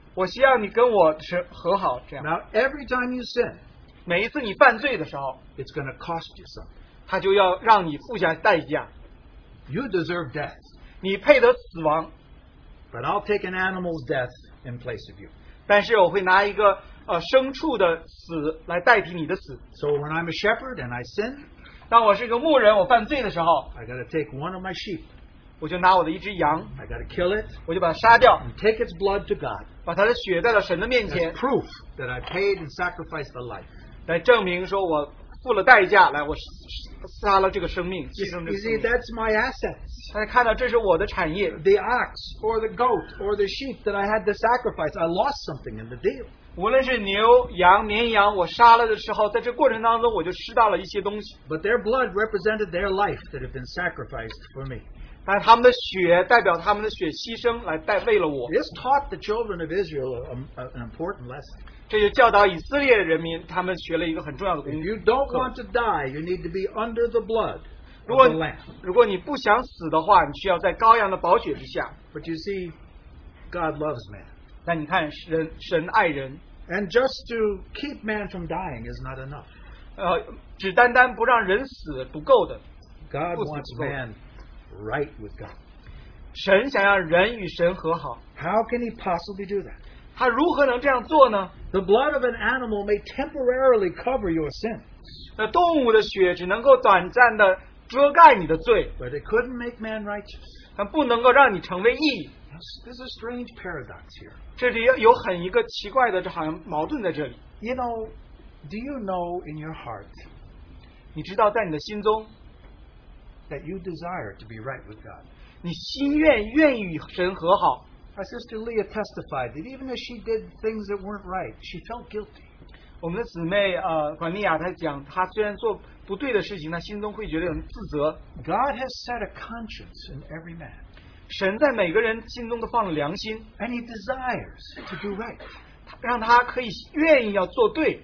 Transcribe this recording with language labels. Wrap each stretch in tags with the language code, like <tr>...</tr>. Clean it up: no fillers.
<zh>我希望你跟我和好,</zh> <en>Now, every time you sin,</en> <zh>每一次你犯罪的时候,</zh> <en>it's going to cost you something.</en> <zh>他就要让你付下代价,</zh> <en>you deserve death.</en> <zh>你配得死亡,</zh> <en>but I'll take an animal's death in place of you.</en> <zh>但是我会拿一个, 牲畜的死来代替你的死,</zh> <en>so when I'm a shepherd and I sin,</en> <zh>当我是一个牧人, 我犯罪的时候,</zh> <en>I got to take one of my sheep.</en> <zh>我就拿我的一只羊,</zh> <en>I got to kill it.</en> <zh>我就把它杀掉,</zh> <en>and take its blood to God.</en> <zh>把它的血带到神的面前,</zh> <en>as proof that I paid and sacrificed the life.</en> <zh>来证明说我付了代价, 来, 我杀了这个生命,</zh> <en>you see, that's my assets.</en> <zh>来看到这是我的产业,</zh> <en>the ox or the goat or the sheep that I had to sacrifice, I lost something in the deal.</en> <zh>无论是牛, 羊, 绵羊, 我杀了的时候, 在这过程当中我就失到了一些东西,</zh> <en>but their blood represented their life that had been sacrificed for me.</en> <zh>但他们的血代表他们的血牺牲, 来代为了我,</zh> <en>this taught the children of Israel an important lesson.</en> <zh>这就教导以色列人民, 他们学了一个很重要的功课。</zh> <en>If you don't want to die, you need to be under the blood of the Lamb.</en> <zh>如果你不想死的话, 你需要在羔羊的宝血之下。</zh> <en>But you see, God loves man.</en> <zh>但你看神, 神爱人,</zh> <en>and just to keep man from dying is not enough.</en> <zh>只单单不让人死, 不够的,</zh> <en>God wants man right with God.</en> <zh>神想要人与神和好。</zh> <en>How can he possibly do that?</en> <zh>他如何能这样做呢?</zh> <en>The blood of an animal may temporarily cover your sin.</en> <zh>那动物的血只能够短暂地遮盖你的罪。</zh> <en>But it couldn't make man righteous.</en> <zh>它不能够让你成为义。</zh> <en>This is a strange paradox here.</en> <zh>这里有很一个奇怪的, 这好像矛盾在这里。</zh> <en>You know, do you know in your heart,</en> <zh>你知道在你的心中,</zh> <en>that you desire to be right with God.</en> <zh>你心愿愿与神和好。</zh> <en>My sister Leah testified that even as she did things that weren't right, she felt guilty.</en> <zh>我们的姊妹, 管利亚, 她讲, 她虽然做不对的事情, 她心中会觉得很自责。</zh> <en>God has set a conscience in every man.</en> <zh>神在每个人心中都放了良心,</zh> <en>and he desires to do right.</en> <zh>让他可以愿意要做对,</zh>